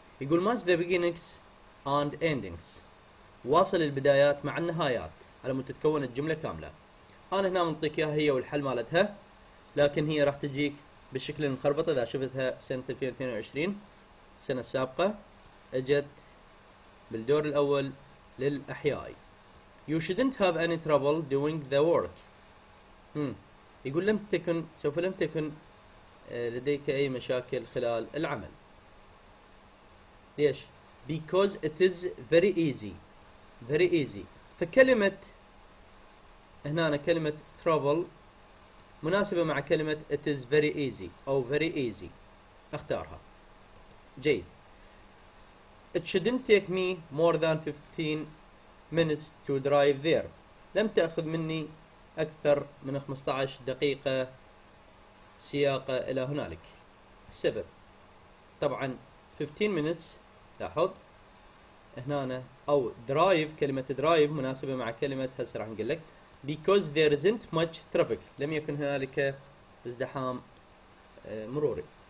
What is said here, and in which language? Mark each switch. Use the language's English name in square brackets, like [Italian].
[Arabic] يقول ماتش ذا بيجينينجز اند اندينجز، واصل البدايات مع النهايات، على مود تتكون الجمله كامله. انا هنا منطيك اياها هي والحل مالتها، لكن هي راح تجيك بالشكل المخربط اذا شفتها سنه 2022، السنه السابقه اجت بالدور الاول للاحياء. [English] You shouldn't have any trouble doing the work. [Arabic] يقول لم تكن، سوف لم تكن لديك أي مشاكل خلال العمل. ليش؟ [English] because it is very easy. very easy. [Arabic] فكلمة هنا، أنا كلمة trouble مناسبة مع كلمة [English] it is very easy [Arabic] أو [English] very easy، [Arabic] أختارها. جيد. [English] It shouldn't take me more than 15 minutes to drive there. [Arabic] لم تأخذ مني أكثر من 15 دقيقة سياقة إلى هنالك. السبب طبعا [English] 15 minutes، [Arabic] لاحظ هنا أنا، أو درايف، كلمة درايف مناسبة مع كلمة، هسه راح نقول لك، [English] because there isn't much traffic، [Arabic] لم يكن هنالك ازدحام مروري.